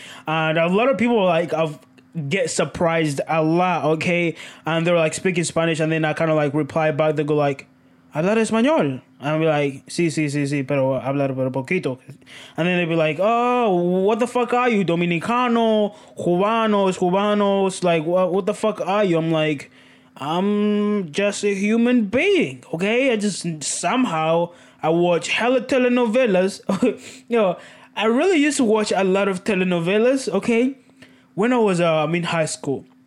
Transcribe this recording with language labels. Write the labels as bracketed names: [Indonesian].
[English] And a lot of people, like, get surprised a lot, okay? And they're, like, speaking Spanish, and then I kind of, like, reply back. They go, like, [Spanish] hablar español. [English] And I'll be like, [Spanish] sí, pero hablar pero poquito. [English] And then they'll be like, oh, what the fuck are you? [Spanish] Dominicano, cubanos, [English] like, what the fuck are you? I'm like, I'm just a human being, okay? I just somehow, I watch hella telenovelas. You know, I really used to watch a lot of telenovelas, okay, when I was in high school.